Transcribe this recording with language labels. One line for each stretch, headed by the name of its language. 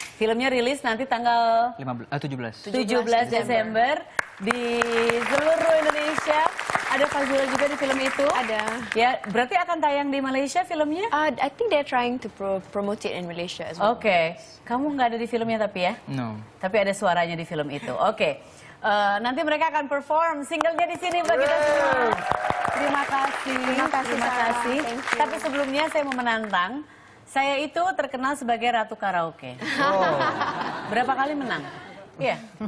Indonesian: Filmnya rilis nanti tanggal 17 Desember di seluruh Indonesia. Ada Fazura juga di film itu. Ada. Ya, berarti akan tayang di Malaysia filmnya?
English: I think they're trying to promote it in Malaysia as well. Oke. Okay.
Indonesian: Kamu nggak ada di filmnya tapi ya?
English: No.
Indonesian: Tapi ada suaranya di film itu. Oke. Okay. Nanti mereka akan perform singlenya di sini bagi kita semua. Terima kasih. Tapi sebelumnya saya mau menantang. Saya itu terkenal sebagai ratu karaoke. Berapa kali menang? Iya.